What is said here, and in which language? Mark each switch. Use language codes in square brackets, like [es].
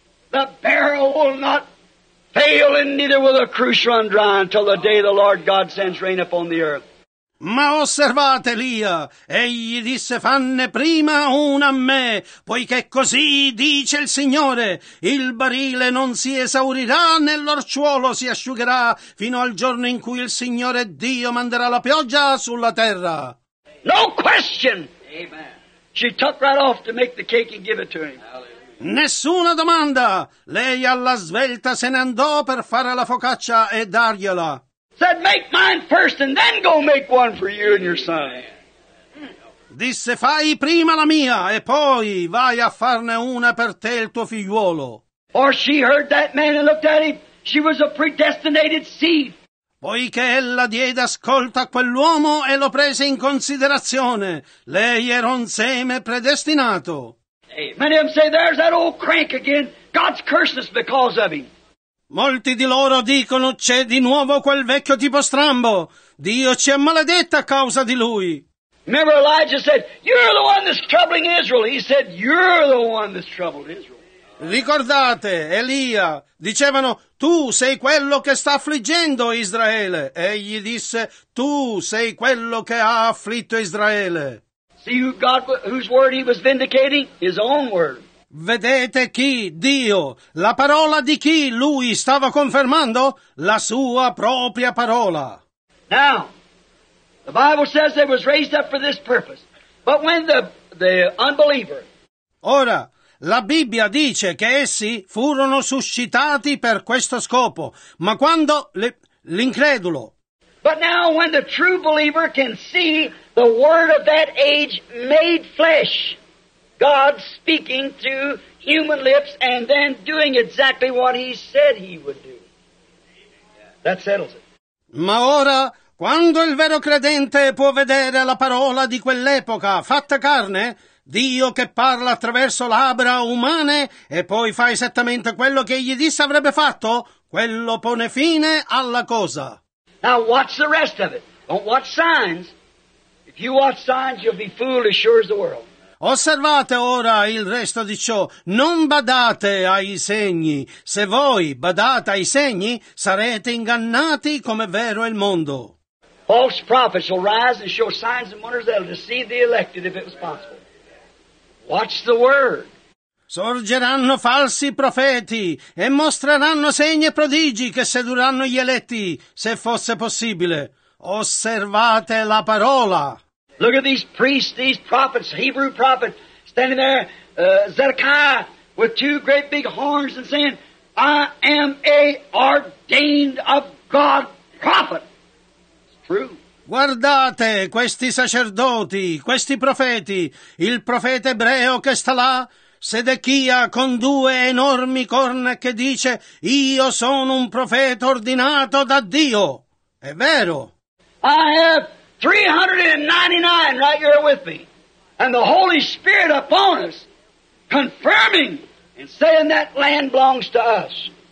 [en] The barrel will not fail, and neither will the cruse run dry until the day the Lord God sends rain upon the earth. [it] Ma osservate Elia, egli disse fanne prima una a me, poiché così dice il Signore, il barile non si esaurirà, né l'orciuolo si asciugherà, fino al giorno in cui il Signore Dio manderà la pioggia sulla terra. [en] No question! Amen. She took right off to make the cake and give it to him. [it] Nessuna domanda. Lei alla svelta se ne andò per fare la focaccia e dargliela. [en] Said, make mine first and then go make one for you and your son. [it] Disse, fai prima la mia e poi vai a farne una per te e il tuo figliuolo. [en] Or she heard that man and looked at him. She was a predestinated seed. [it] Poiché ella diede ascolto a quell'uomo e lo prese in considerazione, lei era un seme predestinato. [en] Many of them say, there's that old crank again. God's cursed us because of him. [it] Molti di loro dicono, c'è di nuovo quel vecchio tipo strambo. Dio ci ha maledetta a causa di lui. [en] Remember Elijah said, you're the one that's troubling Israel. He said, you're the one that's troubled Israel. [it] Ricordate, Elia, dicevano, tu sei quello che sta affliggendo Israele. Egli disse, tu sei quello che ha afflitto Israele. [en] See who God, whose word he was vindicating? His own word. [it] Vedete chi? Dio. La parola di chi lui stava confermando? La sua propria parola. [en] Now, the Bible says they was raised up for this purpose. But when the unbeliever. [it] Ora, la Bibbia dice che essi furono suscitati per questo scopo, ma quando l'incredulo. [en] But now when the true believer can see the word of that age made flesh, God speaking through human lips and then doing exactly what he said he would do. That settles it. [it] Ma ora, quando il vero credente può vedere la parola di quell'epoca fatta carne, Dio che parla attraverso labbra umane e poi fa esattamente quello che gli disse avrebbe fatto, quello pone fine alla cosa. [en] Now watch the rest of it. Don't watch signs. If you watch signs, you'll be fooled as sure as the world. [it] Osservate ora il resto di ciò. Non badate ai segni. Se voi badate ai segni, sarete ingannati come vero il mondo. [en] False prophets will rise and show signs and wonders that will deceive the elected if it was possible. Watch the word. [it] Sorgeranno falsi profeti e mostreranno segni e prodigi che sedurranno gli eletti, se fosse possibile. Osservate la parola. [en] Look at these priests, these prophets, Hebrew prophets, standing there, Zedekiah, with two great big horns and saying, I am a ordained of God prophet. It's true. [it] Guardate questi sacerdoti, questi profeti, il profeta ebreo che sta là, Sedechia con due enormi corna che dice, io sono un profeta ordinato da Dio. È vero. [en] I have 399 right here with me, and the Holy Spirit upon us, confirming and saying that land belongs to us.